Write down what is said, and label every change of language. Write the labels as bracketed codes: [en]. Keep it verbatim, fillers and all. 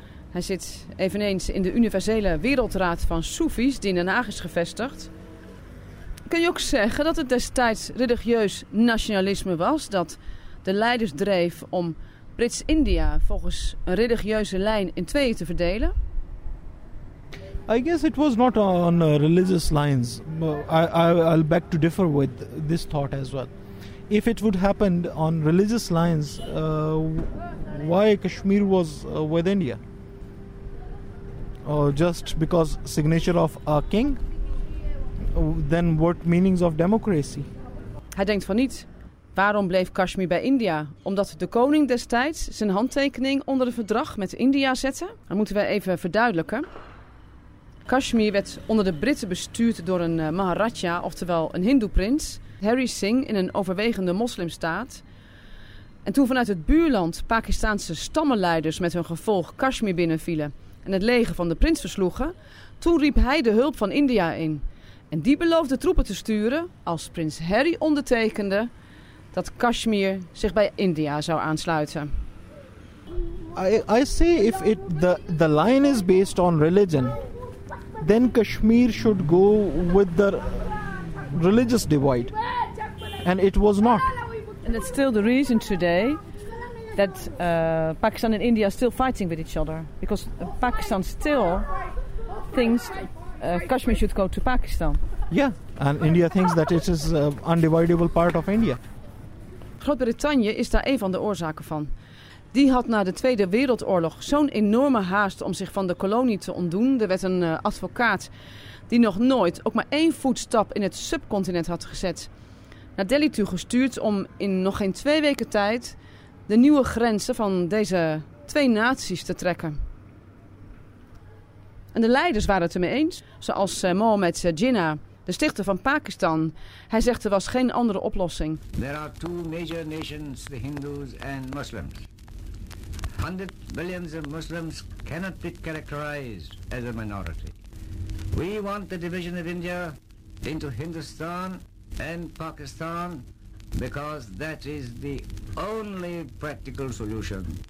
[nl] Hij zit eveneens in de Universele Wereldraad van Soefis, die in Den Haag is gevestigd. Kun je ook zeggen dat het destijds religieus nationalisme was dat de leiders dreef om Brits-India volgens een religieuze lijn in tweeën te verdelen? [en] I guess it was not on religious lines. I, I, I'll beg to differ with this thought as well. If it would happen on religious lines, uh, why Kashmir was uh, with India? Or just because signature of a king? Then what meanings of democracy? [nl] Hij denkt van niet. Waarom bleef Kashmir bij India? Omdat de koning destijds zijn handtekening onder het verdrag met India zette? Dat moeten we even verduidelijken. Kashmir werd onder de Britten bestuurd door een uh, Maharaja, oftewel een hindoeprins, Hari Singh, in een overwegende moslimstaat. En toen vanuit het buurland Pakistaanse stammenleiders met hun gevolg Kashmir binnenvielen en het leger van de prins versloegen, toen riep hij de hulp van India in. En die beloofde troepen te sturen als prins Harry ondertekende dat Kashmir zich bij India zou aansluiten. [en] I, I say if it the, the line is based on religion, then Kashmir should go with the religious divide. And it was not. And that's still the reason today that uh, Pakistan and India are still fighting with each other. Because Pakistan still thinks Uh, Kashmir should go to Pakistan. Yeah, and India thinks that it is an undividable part of India. [nl] Groot-Brittannië is daar een van de oorzaken van. Die had na de Tweede Wereldoorlog zo'n enorme haast om zich van de kolonie te ontdoen. Er werd een uh, advocaat die nog nooit ook maar één voetstap in het subcontinent had gezet, naar Delhi toe gestuurd om in nog geen twee weken tijd de nieuwe grenzen van deze twee naties te trekken. En de leiders waren het ermee eens, zoals Mohammed Jinnah, de stichter van Pakistan. Hij zegt er was geen andere oplossing. [en] There are two major nations, the Hindus and Muslims. Hundred millions of Muslims cannot be characterized as a minority. We want the division of India into Hindustan and Pakistan because that is the only practical solution.